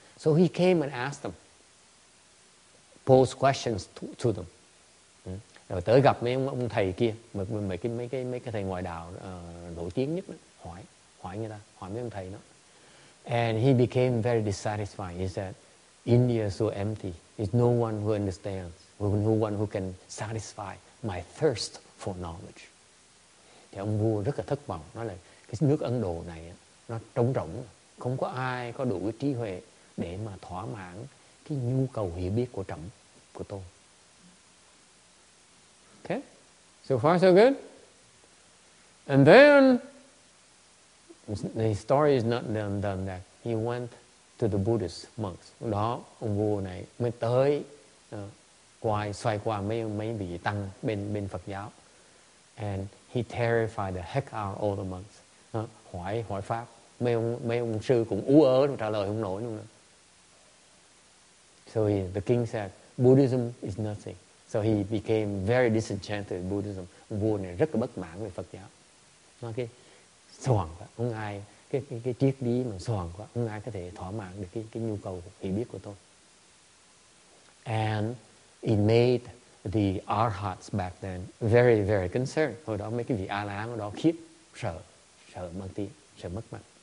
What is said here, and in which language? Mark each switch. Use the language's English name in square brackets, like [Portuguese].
[English] So he came and asked them, pose questions to them. [Vietnamese] Rồi tới gặp mấy ông thầy kia, mấy cái thầy ngoại đạo nổi tiếng nhất đó, hỏi người ta, hỏi mấy ông thầy đó. [English] And he became very dissatisfied. He said, India is so empty. There's no one who understands, no one who can satisfy my thirst for knowledge. [Vietnamese] Thì ông vua rất là thất vọng, nói là cái nước Ấn Độ này nó trống rỗng, không có ai có đủ trí huệ để mà thỏa mãn cái nhu cầu hiểu biết của trẫm, của tôi. [English] Okay, so far so good. And then the story is not done that he went to the Buddhist monks. [Vietnamese] Đó, ông vua này mới tới xoay qua mấy vị tăng bên Phật giáo. [English] And he terrified the heck out of all the monks. [Vietnamese] Hỏi pháp, mấy ông sư cũng ú ớ trả lời không nổi luôn. [English] So the king said, Buddhism is nothing. So he became very disenchanted with Buddhism. [Vietnamese] Ông vua này rất là bất mãn về Phật giáo. Okay. Soàng quá, không ai cái triết lý mà soàng quá, không ai có thể thỏa mãn được cái nhu cầu hiểu biết của tôi. [English] And it made the arhats back then very very concerned. [Vietnamese] Hồi đó mấy cái vị A-la-hán đó khiếp, sợ mất tiếng, sợ mất mặt.